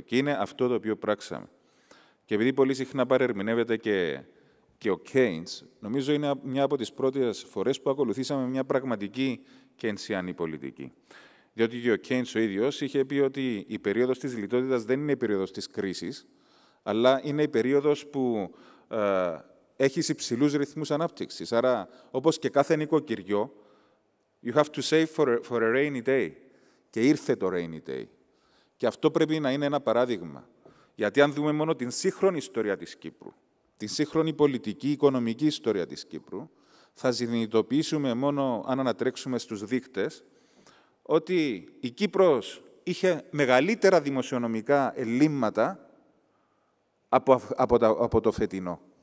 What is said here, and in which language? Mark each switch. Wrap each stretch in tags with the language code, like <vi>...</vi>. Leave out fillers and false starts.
<el>Και είναι αυτό το οποίο πράξαμε. Και επειδή πολύ συχνά παρερμηνεύεται και ο Keynes, νομίζω είναι μια από τις πρώτες φορές που ακολουθήσαμε μια πραγματική Keynesian πολιτική. Διότι και ο Keynes ο ίδιος είχε πει ότι η περίοδος της λιτότητας δεν είναι η περίοδος της κρίσης, αλλά είναι η περίοδος που έχεις υψηλούς ρυθμούς ανάπτυξης. Άρα, όπως και κάθε νοικοκυριό,</el> <en>you have to save for a rainy day.</en> <el>Και ήρθε το</el> <en>rainy day.</en> <el>Και αυτό πρέπει να είναι ένα παράδειγμα. Γιατί αν δούμε μόνο την σύγχρονη ιστορία της Κύπρου, την σύγχρονη πολιτική, οικονομική ιστορία της Κύπρου, θα συνειδητοποιήσουμε μόνο αν ανατρέξουμε στους δείκτες, ότι η Κύπρος είχε μεγαλύτερα δημοσιονομικά ελλείμματα από το φετινό.</el>